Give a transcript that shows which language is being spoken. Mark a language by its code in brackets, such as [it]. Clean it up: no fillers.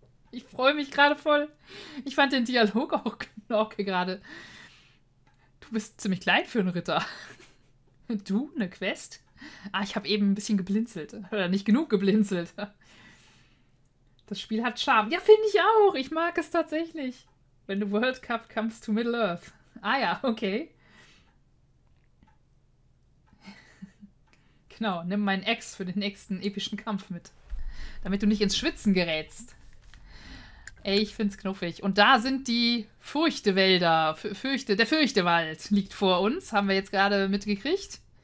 [de] Ich freue mich gerade voll. Ich fand den Dialog auch knorke gerade. Du bist ziemlich klein für einen Ritter. Du, eine Quest? Ah, ich habe eben ein bisschen geblinzelt. Oder nicht genug geblinzelt. Das Spiel hat Charme. Ja, finde ich auch. Ich mag es tatsächlich. [en] When the World Cup comes to Middle Earth. [de] Ah ja, okay. Genau, nimm meinen Axe für den nächsten epischen Kampf mit. Damit du nicht ins Schwitzen gerätst. Ey, ich find's knuffig. Und da sind die Fürchtewälder. Der Fürchtewald liegt vor uns. Haben wir jetzt gerade mitgekriegt.